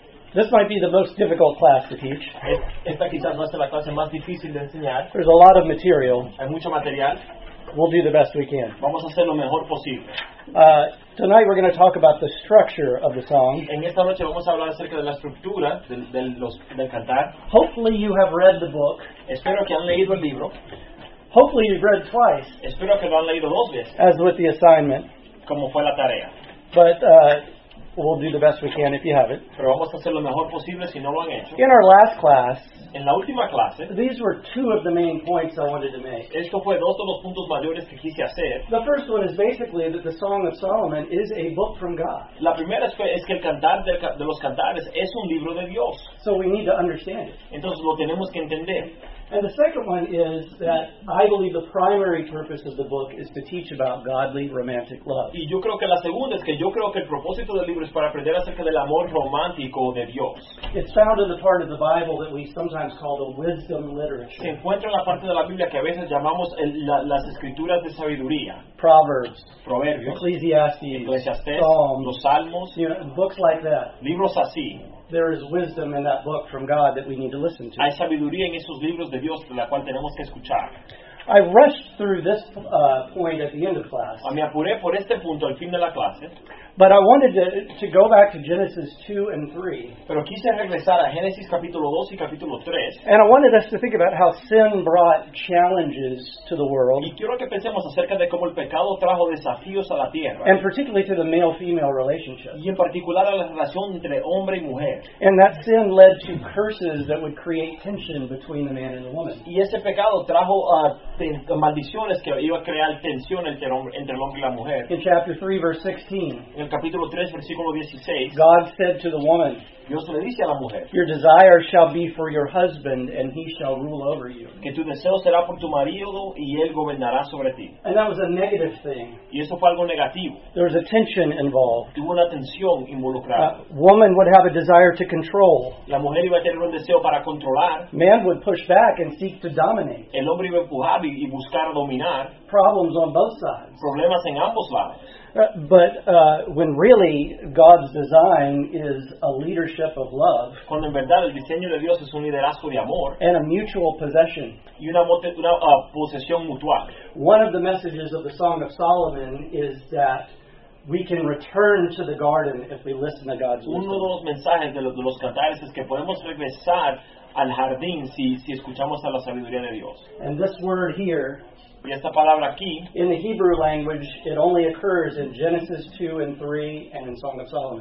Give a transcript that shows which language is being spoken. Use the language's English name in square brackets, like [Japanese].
[English] This might be the most difficult class to teach. [Spanish] Esta quizás no sea la clase más difícil de enseñar. [English] There's a lot of material. [Spanish] Hay mucho material. [English] We'll do the best we can. [Spanish] Vamos a hacer lo mejor posible. [English] Tonight we're going to talk about the structure of the song. [Spanish] En esta noche vamos a hablar acerca de la estructura del cantar. [English] Hopefully you have read the book. [Spanish] Espero que han leído el libro. [English] Hopefully you've read twice. [Spanish] Espero que lo han leído dos veces. [English] As with the assignment. [Spanish] Como fue la tarea. [English] But we'll do the best we can if you have it. [Spanish] Pero vamos a hacer lo mejor posible si no lo han hecho. [English] In our last class, [Spanish] en la última clase, [English] these were two of the main points I wanted to make. [Spanish] Esto fue dos de los puntos mayores que quise hacer. [English] The first one is basically that the Song of Solomon is a book from God. [Spanish] La primera es que el cantar de los cantares es un libro de Dios. [English] So we need to understand it. [Spanish] Entonces lo tenemos que entender. [English] And the second one is that I believe the primary purpose of the book is to teach about godly romantic love. [Spanish] Y yo creo que la segunda es que yo creo que el propósito del libro es para aprender acerca del amor romántico de Dios. [English] It's found in the part of the Bible that we sometimes call the wisdom literature. [Spanish] Se encuentra en la parte de la Biblia que a veces llamamos las escrituras de sabiduría. [English] Proverbs. [Spanish] Proverbios. [English] Ecclesiastes. [Spanish] Psalms. Los Salmos. [English] You know, books like that. [Spanish] Libros así. [English] There is wisdom in that book from God that we need to listen to. [Spanish] Hay sabiduría en esos libros de Dios de la cual tenemos que escuchar. [English] I rushed through this point at the end of class. [Spanish] Me apuré por este punto al fin de la clase. [English] But I wanted to go back to Genesis 2 and 3. [Spanish] Pero quise regresar a Génesis capítulo 2 y capítulo 3. [English] And I wanted us to think about how sin brought challenges to the world. [Spanish] Y quiero que pensemos acerca de cómo el pecado trajo desafíos a la tierra. [English] And particularly to the male-female relationship. [Spanish] Y en particular a la relación entre hombre y mujer. [English] And that sin led to curses that would create tension between the man and the woman. [Spanish] Y ese pecado trajo maldiciones que iba a crear tensión entre el hombre y la mujer. [English] In chapter 3, verse 16. [Spanish] En el capítulo 3, versículo 16, [English] God said to the woman, [Spanish] Dios le dice a la mujer, [English] your desire shall be for your husband and he shall rule over you. [Spanish] Que tu deseo será por tu marido y él gobernará sobre ti. [English] And that was a negative thing. [Spanish] Y eso fue algo negativo. [English] There was a tension involved. [Spanish] Hubo una tensión involucrada. [English] Woman would have a desire to control. [Spanish] La mujer iba a tener un deseo para controlar. [English] Man would push back and seek to dominate. [Spanish] El hombre iba a empujar y buscar dominar. [English] Problems on both sides. [Spanish] Problemas en ambos lados. [English] When really God's design is a leadership of love, [Spanish] cuando en verdad el diseño de Dios es un liderazgo de amor, [English] and a mutual possession, [Spanish] y una posesión mutual. [English] One of the messages of the Song of Solomon is that we can return to the garden if we listen to God's wisdom. [Spanish] Uno de los mensajes de los cantares es que podemos regresar al jardín si escuchamos a la sabiduría de Dios. [English] And this word here. [Spanish] Y esta palabra aquí, [English] in the Hebrew language, it only occurs in Genesis 2 and 3 and in Song of Solomon.